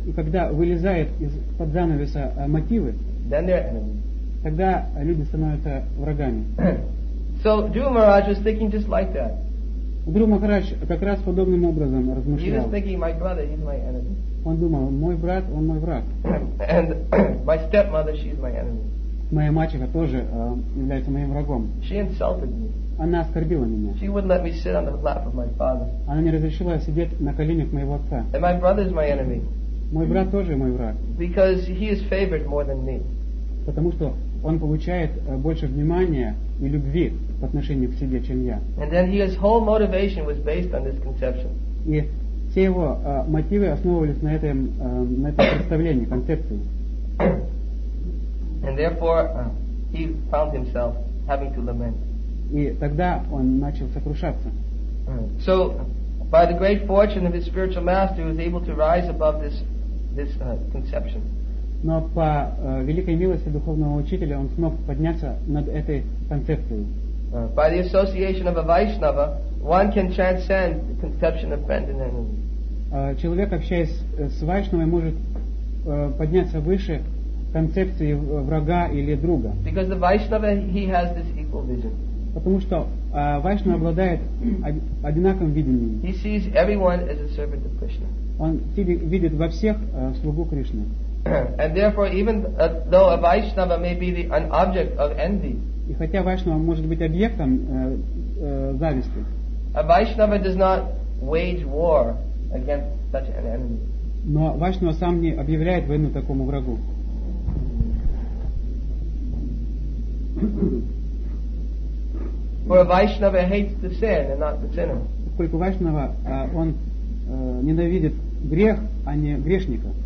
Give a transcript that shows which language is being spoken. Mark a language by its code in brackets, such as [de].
[ru] И когда вылезает из под занавеса мотивы. [en] Then they're enemies. [ru] Тогда люди становятся врагами. [en] So Dhruva Maharaj was thinking just like that. [ru] Дхрува Махарадж как раз подобным образом размышлял. [en] He was thinking, my brother, he's my enemy. [ru] Он думал, мой брат, он мой враг. [en] And my stepmother, she's my enemy. [ru] Моя мачеха тоже является моим врагом. [en] She insulted me. [ru] Она оскорбила меня. [en] She wouldn't let me sit on the lap of my father. [ru] Она не разрешила сидеть на коленях моего отца. [en] And my brother is my enemy. [ru] Мой брат тоже мой враг. [en] Because he is favored more than me. [ru] Потому что он получает больше внимания и любви по отношению к себе, чем я. [en] And then his whole motivation was based on this conception. [ru] И все его мотивы основывались на этом представлении, концепции. [en] And therefore, he found himself having to lament. [ru] И тогда он начал сокрушаться. [en] So, by the great fortune of his spiritual master, he was able to rise above this conception. [ru] Но по великой милости духовного учителя он смог подняться над этой концепцией. [en] By the association of a Vaishnava, one can transcend the conception of friend and enemy. [ru] Человек, общаясь с Вайшнавой, может подняться выше концепции врага или друга. [en] Because the Vaishnava, he has this equal vision. [ru] Потому что Вайшнава обладает одинаковым видением. [en] He sees everyone as a servant of Krishna. [ru] Он видит во всех слугу Кришны. [en] And therefore, even though a Vaishnava may be an object of envy, [ru] и хотя Вайшнава может быть объектом зависти, [en] a Vaishnava does not wage war against such an enemy. [ru] Но Вайшнава сам не объявляет войну такому врагу. [en] For a Vaishnava hates the sin and not the sinner. [ru] Поскольку Вайшнава он ненавидит грех, а не грешника.